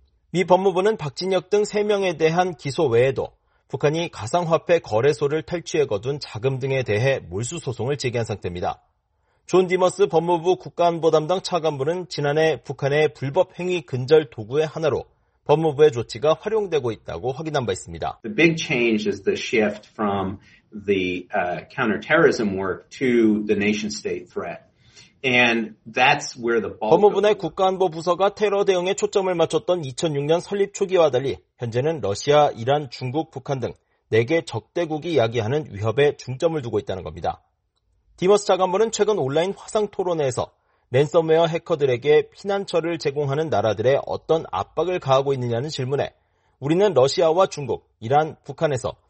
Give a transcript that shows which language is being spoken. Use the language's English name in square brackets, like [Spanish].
[Korean] 미 법무부는 박진혁 등 3명에 대한 기소 외에도 북한이 가상화폐 거래소를 탈취해 거둔 자금 등에 대해 몰수 소송을 제기한 상태입니다. 존 디머스 법무부 국가안보 담당 차관보는 지난해 북한의 불법 행위 근절 도구의 하나로 법무부의 조치가 활용되고 있다고 확인한 바 있습니다. [English] The big change is the shift from the counterterrorism work to the nation-state threat. And that's where the [Korean] 법무부 내 국가안보 부서가 테러 대응에 초점을 맞췄던 2006년 설립 초기와 달리 현재는 러시아, 이란, 중국, 북한 등 4개 적대국이 야기하는 위협에 중점을 두고 있다는 겁니다. 디머스 차관보는 최근 온라인 화상 토론회에서 랜섬웨어 해커들에게 피난처를 제공하는 나라들의 어떤 압박을 가하고 있느냐는 질문에 우리는 러시아와 중국, 이란, 북한에서